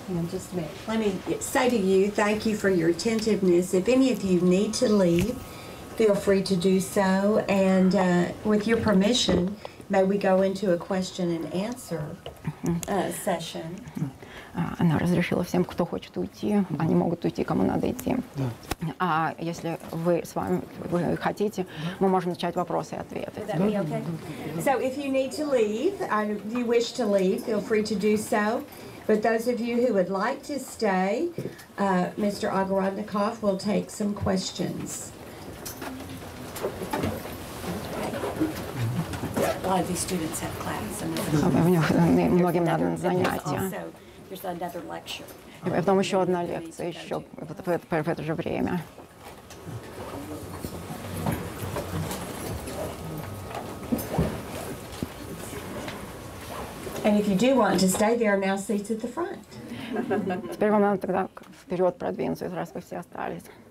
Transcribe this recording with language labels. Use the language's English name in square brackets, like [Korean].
[English] Just a minute. Let me say to you, thank you for your attentiveness. If any of you need to leave, feel free to do so. And with your permission, may we go into a question and answer session. [Russian] она разрешила всем, кто хочет уйти, mm-hmm. они могут уйти, кому надо идти. [English] Yeah. [Russian] А если вы с вами вы хотите, мы можем начать вопросы и ответы. [English] Okay? Mm-hmm. So if you need to leave, you wish to leave, feel free to do so. But those of you who would like to stay, Mr. Agarodnikov will take some questions. A lot of these students have class, and there's another lecture. [Russian] И потом еще одна лекция еще в это же время. [English] And if you do want to stay, there are now seats at the front. [Russian] Теперь вам надо тогда вперед продвинуться, раз вы все остались.